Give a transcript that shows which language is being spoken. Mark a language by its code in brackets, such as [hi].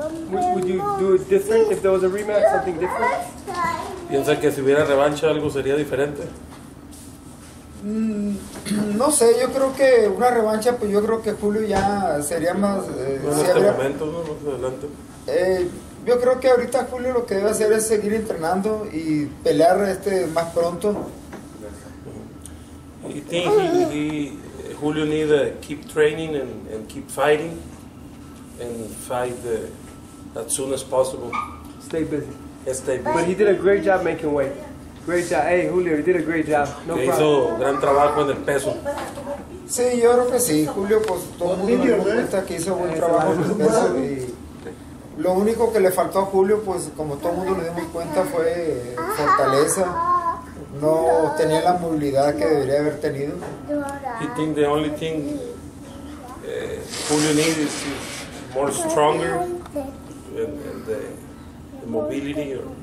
[en] Would you do it different if there was a rematch, something different? [es] ¿Piensa que si hubiera revancha algo sería diferente? No sé, yo creo que una revancha, pues yo creo que Julio ya sería más... No, más adelante. Yo creo que ahorita Julio lo que debe hacer es seguir entrenando y pelear más pronto. [en] You think Julio need to keep training and keep fighting and fight as soon as possible. Stay busy. Stay busy. But he did a great job making weight. Great job. Hey, Julio, you did a great job. No problem. [es] Hizo gran trabajo en el peso. Sí, yo creo que sí. Julio, pues todo el mundo dio cuenta que hizo buen trabajo en el peso. Lo único que le faltó a Julio, pues como todo el mundo le dimos cuenta, fue fortaleza. No tenía la movilidad que debería haber tenido. [en] He think the only thing Julio needs is more stronger and the mobility